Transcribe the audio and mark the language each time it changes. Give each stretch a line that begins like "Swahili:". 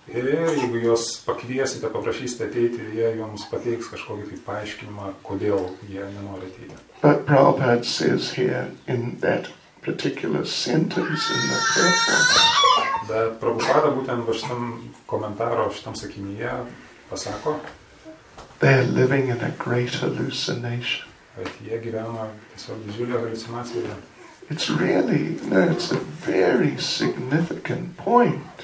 Lithuanian: Ir jeigu jos pakviesite, paprašysite ateiti, jie jums pateiks kažkokį tai paaiškinimą, kodėl jie nenori ateiti.
English: But Prabhupada says here in that particular sentence in the purport.
Lithuanian: Bet Prabhupada būtent va šitam komentaro, šitam sakinyje pasako.
English: They are living in a great hallucination.
Lithuanian: Bet jie gyvena tiesiog didžiulė hallucinacija.
English: It's really, no, it's a very significant point.